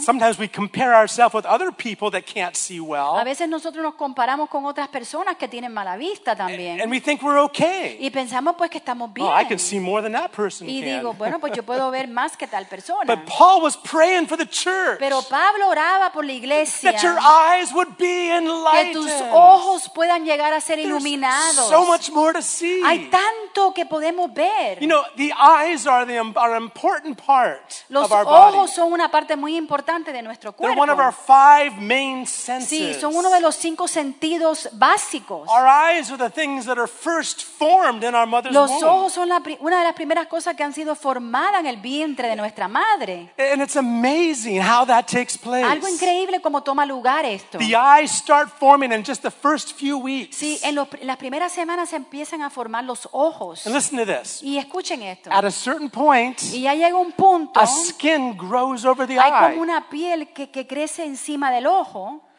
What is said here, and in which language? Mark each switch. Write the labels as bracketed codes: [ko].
[en] Sometimes we compare ourselves with other people that can't see well. [es] A veces nosotros nos comparamos con otras personas que tienen mala vista también. [en] And we think we're okay. [es] Y pensamos pues que estamos bien. [en] Oh, I can see more than that person. [es] Y digo, bueno, pues yo puedo ver más que tal persona. [en] But Paul was praying for the church. [es] Pero Pablo oraba por la iglesia. [en] That your eyes would be enlightened. [es] Que tus ojos puedan llegar a ser iluminados. [en] There's so much more to see. [es] Hay tanto que podemos ver. [en] You know, the eyes are the are an important part [es] los [en] of our [es] ojos [en] body. [es] Son una parte muy importante de nuestro cuerpo. [en] They're one of our five main senses. [es] Sí, son uno de los cinco sentidos básicos. [en] Our eyes are the things that are first formed in our mother's [es] los [en] womb. [es] Los ojos son una de las primeras cosas que han sido formadas en el vientre de nuestra madre. [en] And it's amazing how that takes place. [es] Algo increíble cómo toma lugar esto. [en] The eyes start forming in just the first few weeks. [es] Sí, las primeras semanas se empiezan a formar los ojos. [en] And listen to this. [es] Y escuchen esto. [en] At a certain point, [es] y ya llega un punto, [en] a skin grows over the [es] hay [en] eye. [es] Como una piel que crece encima del ojo.